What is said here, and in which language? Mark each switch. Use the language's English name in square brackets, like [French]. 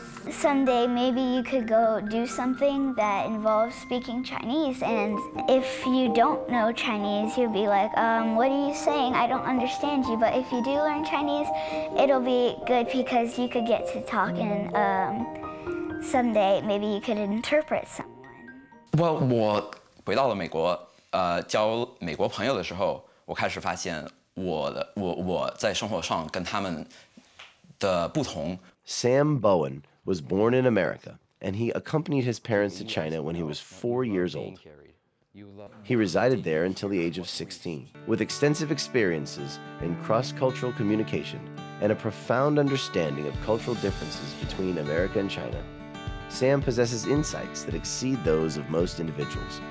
[English] Someday, maybe you could go do something that involves speaking Chinese, and if you don't know Chinese, you'll be like, what are you saying? I don't understand you. But if you do learn Chinese, it'll be good because you could get to talk, and someday, maybe you could interpret someone. [Chinese] Well, 我回到了美国, 交美国朋友的时候, 我开始发现, 我在生活上跟他们的不同。 [English] Sam Bowen was born in America, and he accompanied his parents to China when he was 4 years old. He resided there until the age of 16. With extensive experiences in cross-cultural communication and a profound understanding of cultural differences between America and China, Sam possesses insights that exceed those of most individuals.